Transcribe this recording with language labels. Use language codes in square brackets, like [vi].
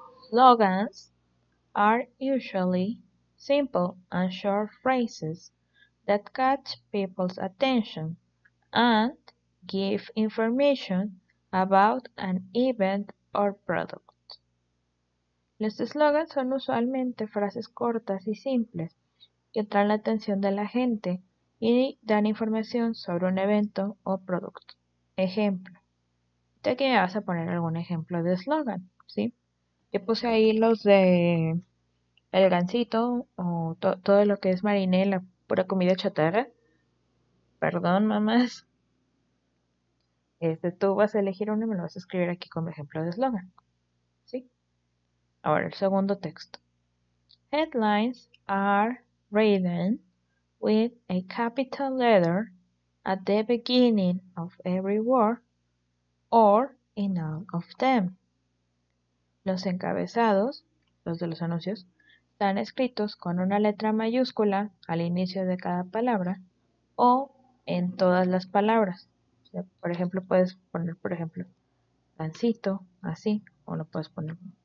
[en] Slogans are usually simple and short phrases that catch people's attention and give information about an event or product. [es] Los slogans son usualmente frases cortas y simples que atraen la atención de la gente y dan información sobre un evento o producto. Ejemplo. De aquí me vas a poner algún ejemplo de eslogan, ¿sí? Yo puse ahí los de el gansito o todo lo que es marinela, pura comida chatarra. Perdón, mamás. Tú vas a elegir uno y me lo vas a escribir aquí como ejemplo de eslogan. Ahora, el segundo texto. [en] Headlines are written with a capital letter at the beginning of every word or y none of them. [es] Los encabezados, los de los anuncios, están escritos con una letra mayúscula al inicio de cada palabra o en todas las palabras. O sea, por ejemplo, puedes poner, por ejemplo, pancito, así, o lo puedes poner.